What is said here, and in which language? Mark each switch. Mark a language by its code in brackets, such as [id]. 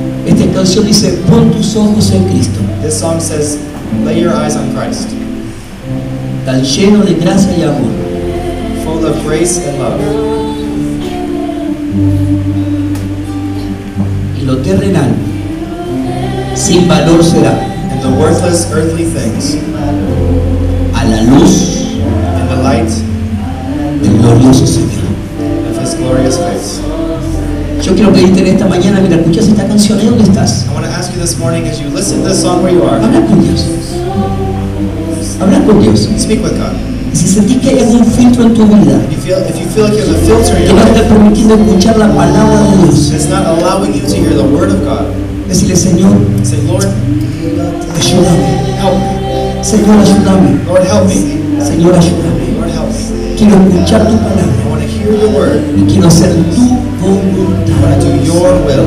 [es] Esta canción dice, pon tus ojos en Cristo. [en] This song says, lay your eyes on Christ. [es] Tan lleno de gracia y amor. [en] Full of grace and love. [es] Y lo terrenal, sin valor será. [en] And the worthless earthly things. [es] A la luz. [en] And the light. [es] Del glorioso Señor. [en] Of his glorious face. [es] Yo quiero pedirte en esta mañana, mira, escuchas esta canción, ¿eh? ¿Dónde estás? [en] I want to ask you this morning, as you listen to this song, where you are. [es] Habla con Dios. Habla con Dios. [en] Speak with God. [es] Y si sentís que hay un filtro en tu vida, [en] if you feel like you have a filter in your life, [es] que no está permitiendo escuchar la palabra de Dios, [en] it's not allowing you to hear the word of God, [es] decirle, Señor, [en] say, Lord, [es] ayúdame. [en] Help me. [es] Señor, ayúdame. [en] Lord, help me. [es] Señor, ayúdame. [en] Lord, help me. [es] Quiero escuchar tu palabra. [en] I want to hear your word. [es] Y quiero ser tú. [en] I want to do your will.